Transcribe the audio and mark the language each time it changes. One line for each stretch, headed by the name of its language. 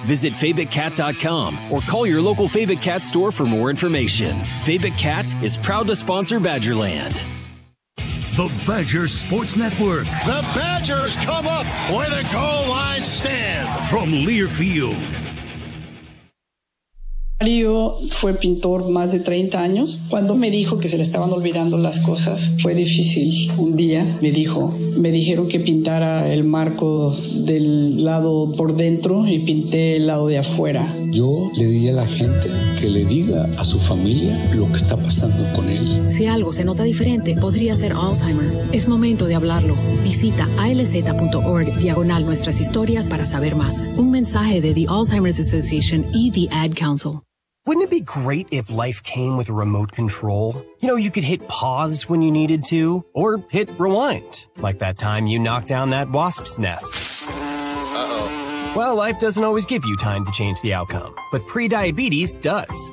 English: Visit favickcat.com or call your local Favic Cat store for more information. Favic Cat is proud to sponsor Badgerland. The Badger Sports Network. The Badgers come up where the goal line stands. From Learfield.
Spanish: Mario fue pintor más de 30 años. Cuando me dijo que se le estaban olvidando las cosas, fue difícil. Un día me dijeron que pintara el marco del lado por dentro y pinté el lado de afuera. Yo le di a la gente que le diga a su familia lo que está pasando con él. Si algo se nota diferente, podría ser Alzheimer. Es momento de hablarlo. Visita alz.org/nuestras historias para saber más. Un mensaje de The Alzheimer's Association y The Ad Council.
English: Wouldn't it be great if life came with a remote control? You know, you could hit pause when you needed to, or hit rewind, like that time you knocked down that wasp's nest. Well, life doesn't always give you time to change the outcome, but prediabetes does.